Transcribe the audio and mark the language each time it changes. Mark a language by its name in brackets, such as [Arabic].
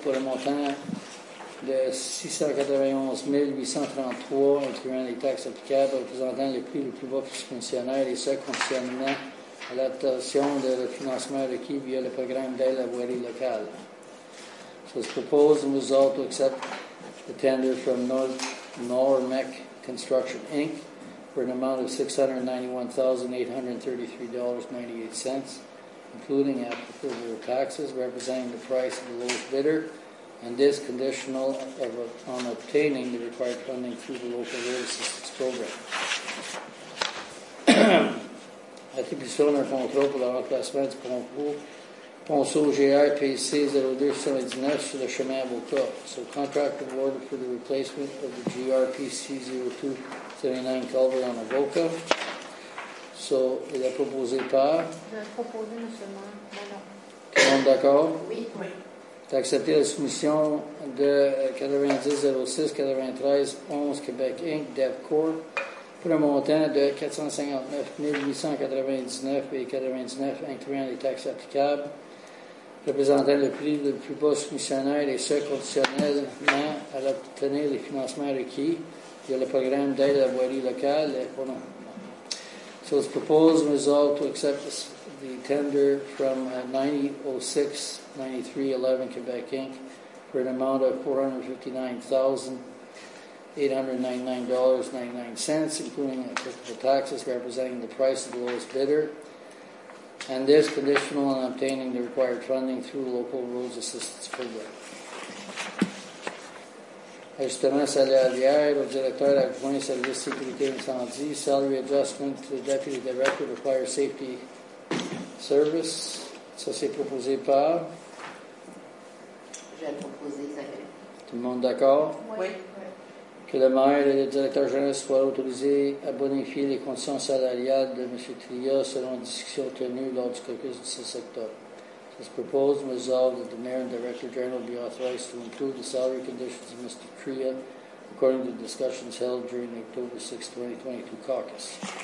[French] pour le montant de 691 833 incluant les taxes applicables, représentant le prix le plus bas pour ce concessionnaire et ce concernant à l'adaptation de le financement requis via le programme d'aide à la voirie locale. [English] So it's proposed and resolved to accept the tender from Nord-MEC Construction Inc. for an amount of $691,833.98, including applicable taxes, representing the price of the lowest bidder, and this conditional on obtaining the required funding through the local rail assistance program. [French] Attribution d'un contrat pour le remplacement du ponceau GIPC 0279 sur le chemin Boca. [English] So, contract awarded for the replacement of the GRPC 0279 culvert on Boca. [French] So, il est proposé par. Tout le monde d'accord? Oui. D'accepter la soumission de 90-06-93-11 Québec Inc. DevCorp pour un montant de 459 899 incluant les taxes applicables, représentant le prix le plus bas soumissionnaire et ce, conditionnellement à obtenir les financements requis via le programme d'aide à la voirie locale. [English] So it's proposed and resolved to accept the tender from 906-93-11 Quebec Inc. for an amount of $459,899.99, including applicable taxes, representing the price of the lowest bidder, and this conditional on obtaining the required funding through local roads assistance program. [French] Ajustement salarial au directeur adjoint service sécurité incendie, [English] salary adjustment to the deputy director of fire safety service. [French] Ça c'est proposé par. Je vais proposer Isabelle. Tout le monde d'accord? Oui. Que le maire et le directeur général soient autorisés à bonifier les conditions salariales de M. Tria selon la discussion tenue lors du caucus du 6 octobre. [English] It's proposed and resolved that the mayor and director general be authorized to include the salary conditions of Mr. Tria according to discussions held during the October 6, 2022 caucus.